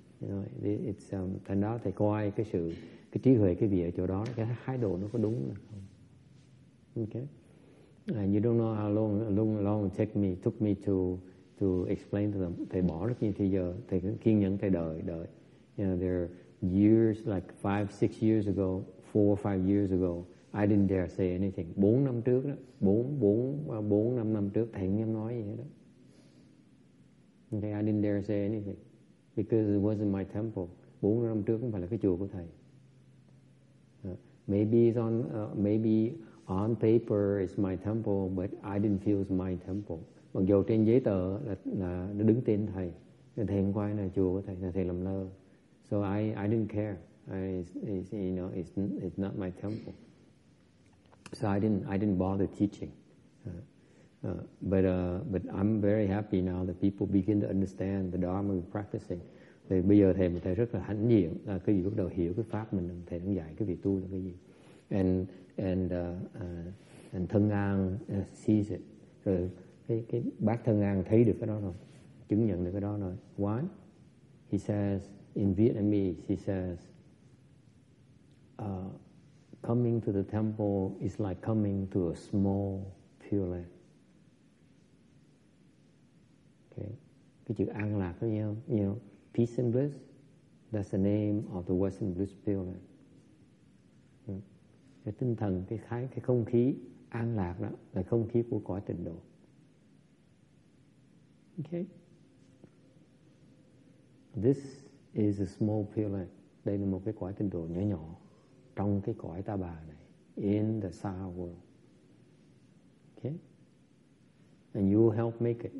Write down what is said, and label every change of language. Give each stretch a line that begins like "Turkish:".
English: You know, it's
Vietnamese: thành đó thầy coi cái sự cái trí huệ cái vị ở chỗ đó, cái thái độ nó có đúng không?
English: Okay. And you don't know how long it took me to explain to them. They
Vietnamese: bỏ rất nhiều thời giờ, thầy kiên nhẫn thầy đợi.
English: You know, there are years like 5-6 years ago, 4-5 years ago, I didn't dare say anything.
Vietnamese: 4 năm trước đó, 4 5 năm trước thầy không nói gì hết.
English: Okay, I didn't dare say anything because it wasn't my temple.
Vietnamese: 4 năm trước không phải là cái chùa của thầy.
English: Maybe it's on maybe on paper it's my temple, but I didn't feel it's my temple.
Vietnamese: Mặc dù trên giấy tờ là nó đứng tên thầy, thầy không quay là chùa của thầy, là thầy làm lơ.
English: So I didn't care. It's not my temple. So I didn't bother teaching. But I'm very happy now that people begin to understand the Dharma we're practicing.
Vietnamese: Thì bây giờ thầy rất là hãnh diện là cái gì bắt đầu hiểu cái pháp mình thầy đang dạy, cái việc tu là cái gì.
English: And Thân An sees it.
Vietnamese: Rồi cái bác Thân An thấy được cái đó rồi, chứng nhận được cái đó rồi.
English: Why? He says in Vietnamese, he says coming to the temple is like coming to a small Pure Land. Okay.
Vietnamese: Cái chữ an lạc đó,
English: you know, peace and bliss, that's the name of the Western Bliss Pure Land.
Vietnamese: Cái tinh thần, cái không khí an lạc đó là không khí của cõi tịnh độ.
English: Okay. This is a small Pure Land.
Vietnamese: Đây là một cái cõi tịnh độ nhỏ nhỏ trong cái cõi ta bà này,
English: in the Sa world. Okay? And you will help make it.